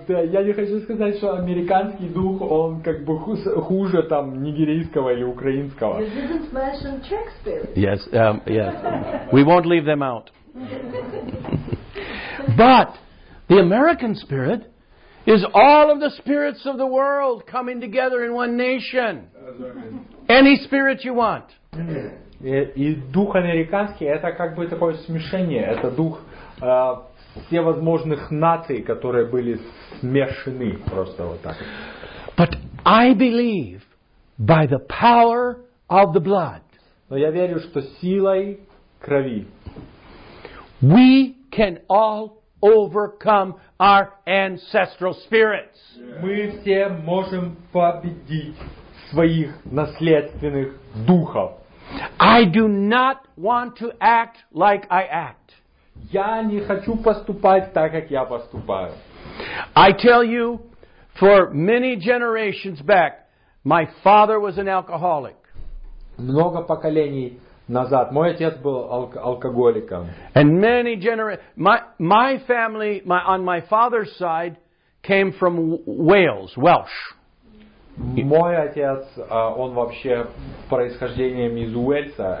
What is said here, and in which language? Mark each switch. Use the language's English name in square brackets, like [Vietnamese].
[Russian] Я не хочу сказать, что американский дух он как бы хуже там нигерийского или украинского. [English] This isn't smashing Czech spirit. Yes, yes. We won't leave them out. But the American spirit is all of the spirits of the world coming together in one nation. Any spirit you want. [Russian] И дух американский это как бы такое смешение, это дух всевозможных наций, которые были смешаны просто вот так. [English] But I believe by the power of the blood. [Russian] Но я верю, что силой крови. [English] We can all overcome our ancestral spirits. [Russian] Мы все можем победить своих наследственных духов. [English] I do not want to act like I act. [Russian] Я не хочу поступать так, как я поступаю. [English] I tell you, for many generations back, my father was an alcoholic. [Russian] Много поколений назад. Мой отец был алкоголиком. [English] And many my family on my father's side came from Wales, Welsh. [Russian] Мой отец, он вообще происхождением из Уэльса.